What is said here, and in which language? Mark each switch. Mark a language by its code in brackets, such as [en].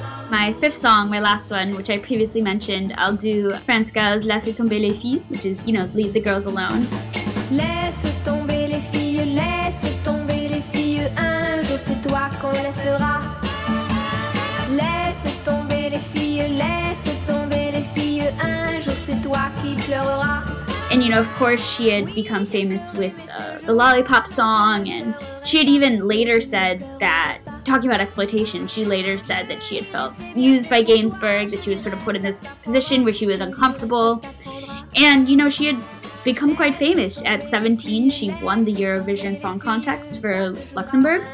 [en] My fifth song, my last one, which I previously mentioned, I'll do France Gall's Laisse tomber les filles, which is, you know, Leave the Girls Alone. [fr] Laisse tomber les filles, laisse tomber les filles, un jour c'est toi qu'on laissera. Laisse tomber les filles, laisse tomber les filles, un jour c'est toi qui pleurera. [en] And, you know, of course, she had become famous with the Lollipop song, and she had even later said that, talking about exploitation, she later said that she had felt used by Gainsbourg, that she was sort of put in this position where she was uncomfortable. And, you know, she had become quite famous. At 17, she won the Eurovision Song Contest for Luxembourg.